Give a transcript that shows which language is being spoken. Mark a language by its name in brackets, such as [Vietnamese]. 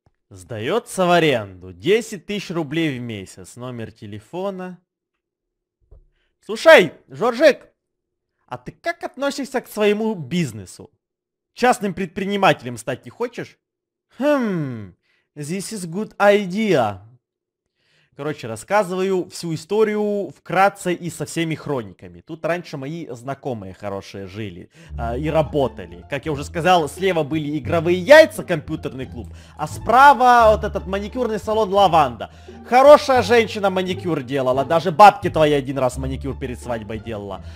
[Russian] Сдается в аренду. 10 тысяч рублей в месяц. Номер телефона. Слушай, Жоржик! А ты как относишься к своему бизнесу? Частным предпринимателем стать не хочешь? [English] Хм, this is good idea. [Russian] Короче, рассказываю всю историю вкратце и со всеми хрониками. Тут раньше мои знакомые хорошие жили и работали. Как я уже сказал, слева были игровые яйца, компьютерный клуб, а справа вот этот маникюрный салон «Лаванда». Хорошая женщина маникюр делала, даже бабке твоей один раз маникюр перед свадьбой делала.